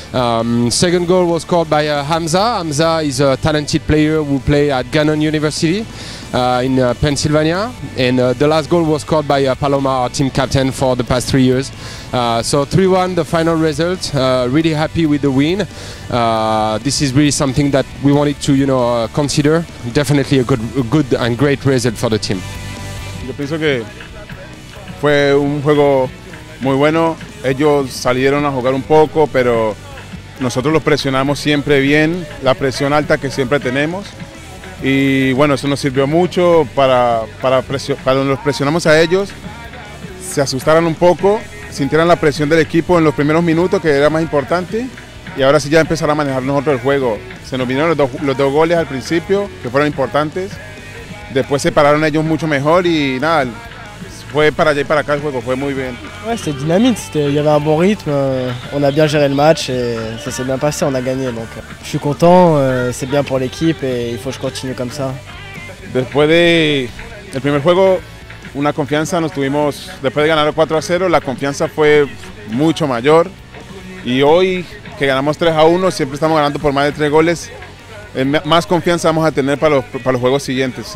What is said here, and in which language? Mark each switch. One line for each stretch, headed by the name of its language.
English: Second goal was scored by Hamza. Hamza is a talented player who plays at Gannon University in Pennsylvania. And the last goal was scored by Paloma, our team captain, for the past 3 years. So 3-1, the final result. Really happy with the win. This is really something that we wanted to, consider. Definitely a good and great result for the team.
Spanish: Yo pienso que fue un juego muy bueno. Ellos salieron a jugar un poco, pero nosotros los presionamos siempre bien, la presión alta que siempre tenemos. Y bueno, eso nos sirvió mucho para cuando los presionamos a ellos, se asustaran un poco, sintieran la presión del equipo en los primeros minutos, que era más importante. Y ahora sí ya empezaron a manejar nosotros el juego. Se nos vinieron los dos goles al principio, que fueron importantes. Después se pararon ellos mucho mejor y nada, fue para allá y para acá el juego, fue muy bien.
French: Ouais, c'était dynamite, il y avait un bon rythme, on a bien géré le match et ça s'est bien passé, on a gagné. Donc je suis content, c'est bien pour l'équipe et il faut que je continue comme ça.
Spanish: Después del primer juego, una confianza nos tuvimos, después de ganar 4-0, la confianza fue mucho mayor. Y hoy que ganamos 3-1, siempre estamos ganando por más de 3 goles, más confianza vamos a tener para los juegos siguientes.